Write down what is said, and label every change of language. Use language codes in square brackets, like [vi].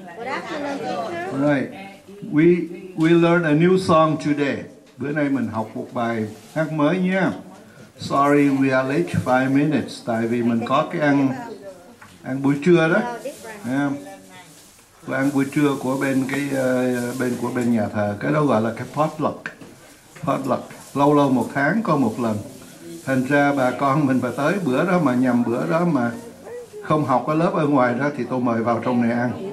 [en] Good afternoon, teacher. Right. We learn a new song today. [vi] Bữa nay mình học một bài hát mới nha. [en] Sorry we are late 5 minutes. [vi] Tại vì mình có cái ăn buổi trưa đó. Yeah. Ăn buổi trưa của bên bên nhà thờ. Cái đó gọi là cái potluck. Potluck. Lâu lâu một tháng có một lần. Thành ra bà con mình phải tới bữa đó mà nhầm bữa đó mà không học ở lớp ở ngoài đó thì tôi mời vào trong này ăn.